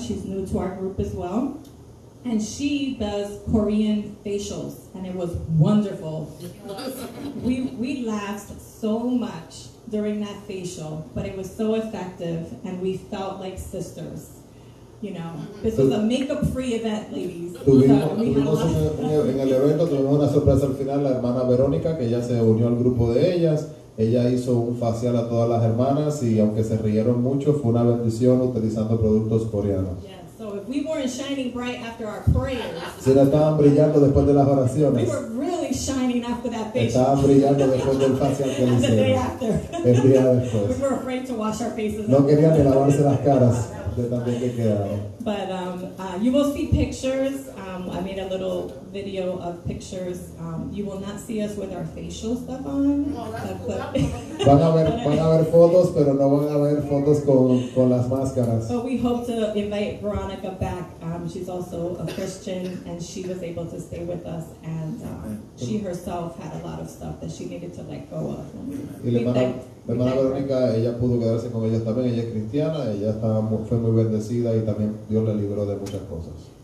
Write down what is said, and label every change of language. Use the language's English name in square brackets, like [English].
[English] She's new to our group as well. And she does Korean facials, and it was wonderful. We laughed so much during that facial, but it was so effective, and we felt like sisters. You know, this was a makeup free event, ladies. [Spanish] Tuvimos, so, tuvimos una sorpresa al final, la hermana Verónica, que ya se unió al grupo de ellas. Ella hizo un facial a todas las hermanas, y aunque se rieron mucho, fue una bendición utilizando productos coreanos. [English] Yeah, so if we weren't shining bright after our prayers, [Spanish] se la estaban brillando después de las oraciones. [English] We were really shining after that facial. [Spanish] Estaban brillando después del facial que hicieron. [English] The day after. [Spanish] El día después. [English] We were afraid to wash our faces. [Spanish] No querían ni lavarse las caras. [English] But you will see pictures. I made a little video of pictures. You will not see us with our facial stuff on. [Spanish] Van a ver fotos, pero no van a ver fotos con las máscaras. [English] But we hope to invite Veronica back. She's also a Christian, and she was able to stay with us. And she herself had a lot of stuff that she needed to let go of. [Spanish] La hermana Verónica, ella pudo quedarse con ellas también. Ella es cristiana, ella fue muy bendecida y también Dios le libró de muchas cosas.